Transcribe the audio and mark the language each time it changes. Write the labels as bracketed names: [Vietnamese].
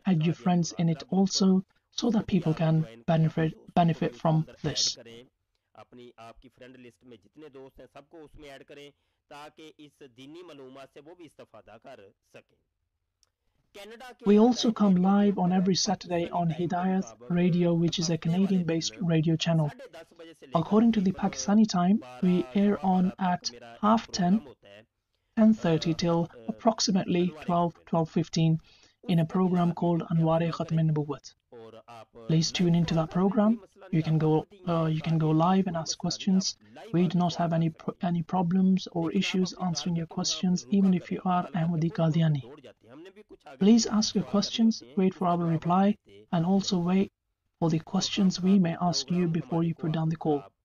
[English] Add your friends in it also so that people can benefit from this. [Urdu] اپنی آپ کی friend list میں جتنے دوست ہیں سب کو اس میں ایڈ کریں تاکہ اس دینی معلومات سے وہ بھی استفادہ کر سکیں [English] Canada کے we also come live on every Saturday on Hidayat radio which is a Canadian based radio channel according to the Pakistani time we air on at half 10:30 till approximately 12:15 in a program called Anwar Khatm Nabuwat Please tune into that program. You can go live and ask questions. We do not have any problems or issues answering your questions, even if you are Ahmadi Qadiani. Please ask your questions, wait for our reply, and also wait for the questions we may ask you before you put down the call.